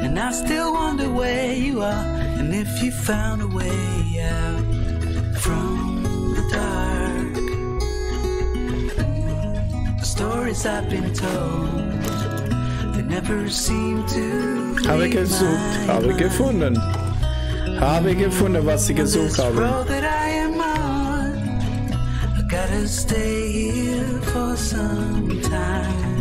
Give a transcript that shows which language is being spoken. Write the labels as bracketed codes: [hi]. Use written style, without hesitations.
[en] I still wonder where you are, and if you found a way out from the dark. The stories I've been told, they never seem to [de] Habe gesucht, habe gefunden. Habe gefunden, was sie gesucht haben. [en] This road that I am on, I gotta stay here for some time.